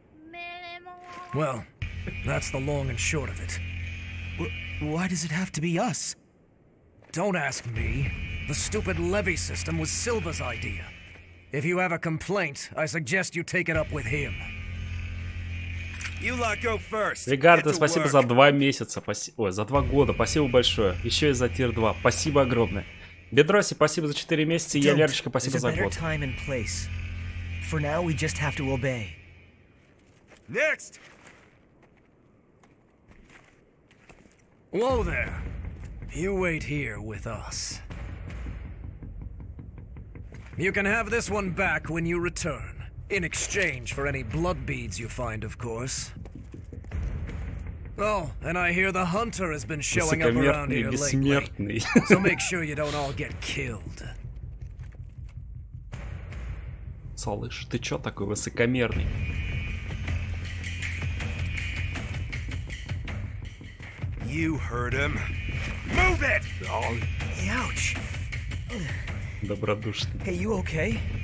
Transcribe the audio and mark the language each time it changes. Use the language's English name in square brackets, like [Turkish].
[English] Mêlez-moi. Well, that's the long and short of it. Why does it have to be us? Don't ask me. The stupid levee system was Silva's idea. If you have a complaint, I suggest you take it up with him. You lot go first. [Russian] Ригардо, спасибо за 2 месяца. За 2 года. Спасибо большое. Еще и за Тир 2. Спасибо огромное. Бедроси, спасибо за 4 месяца. И Ялерочка, спасибо за год. [English] For now, we just have to obey. Next! Whoa there. You wait here with us. You can have this one back when you return. In exchange for any blood beads you find, of course. Oh, and I hear the hunter has been showing up around here lately. So make sure you don't all get killed. [Russian] Солыш, ты чё такой высокомерный? [English] You heard him. Move it! Ouch. [Russian] Добродушный. [English] Hey, you okay?